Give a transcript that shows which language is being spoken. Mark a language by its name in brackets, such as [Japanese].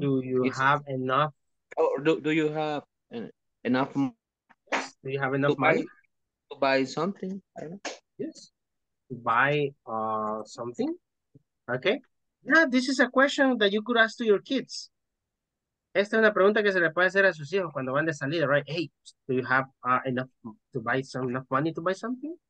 [English] Do you have enough? Do you have enough money to buy something? Yes. To buy something? Okay. Yeah, this is a question that you could ask to your kids. [Spanish] Esta es una pregunta que se le puede hacer a sus hijos cuando van de salida, right? [English] Hey, do you have enough money to buy something?